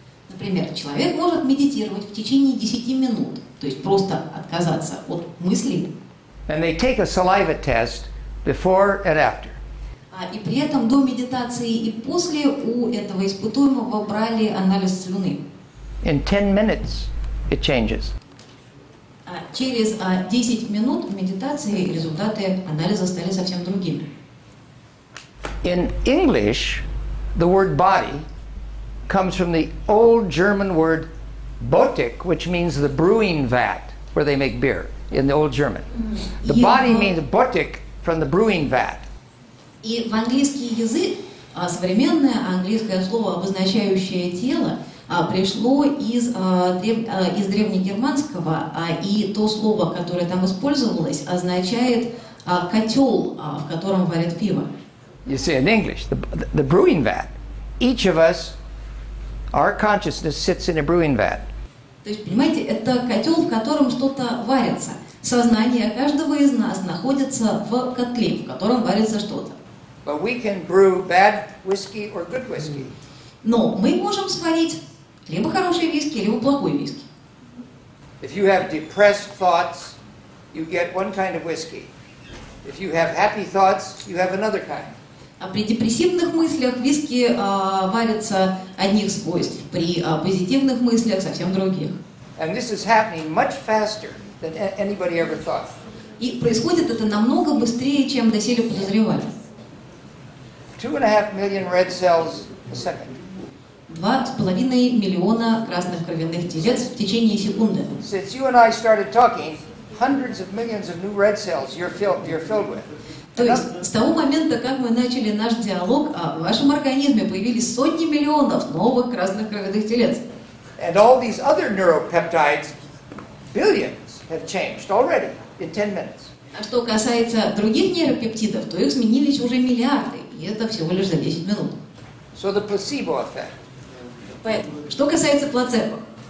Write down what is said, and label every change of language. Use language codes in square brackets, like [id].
[ru] Например, человек может медитировать в течение 10 минут, то есть просто отказаться от мыслей. [en] And they take a saliva test before and after. [ru] И при этом до медитации и после у этого испытуемого брали анализ слюны. [en] In 10 minutes it changes. [ru] Через 10 минут медитации результаты анализа стали совсем другими. [en] In English, the word body comes from the old German word Botik, which means the brewing vat, where they make beer, in the old German. The body means Botik from the brewing vat. [ru] И в английский язык современное английское слово, обозначающее тело, пришло из древнегерманского, и то слово, которое там использовалось, означает котел, в котором варят пиво. [en] You see, in English, the brewing vat. Each of us, our consciousness sits in a brewing vat. [ru] То есть, понимаете, это котел, в котором что-то варится. Сознание каждого из нас находится в котле, в котором варится что-то. [en] But we can brew bad whiskey or good whiskey. [ru] Но мы можем сварить либо хороший виски, либо плохой виски. [en] If you have depressed thoughts, you get one kind of whiskey. If you have happy thoughts, you have another kind. [ru] А при депрессивных мыслях виски варятся одних свойств, при позитивных мыслях совсем других. [en] And this is happening much faster than anybody ever thought. [ru] И происходит это намного быстрее, чем доселе подозревали. [en] 2.5 million red cells a second. [ru] 2.5 миллиона красных кровяных телец в течение секунды. [en] Since you and I started talking, hundreds of millions of new red cells you're filled with. [ru] То есть с того момента, как мы начали наш диалог, в вашем организме появились сотни миллионов новых красных кровяных телец. [en] And all these other neuropeptides, billions, have changed already in 10 minutes. [ru] А что касается других нейропептидов, то их сменились уже миллиарды, и это всего лишь за 10 минут. [en] So the placebo effect. [ru] Поэтому, что касается плацебо.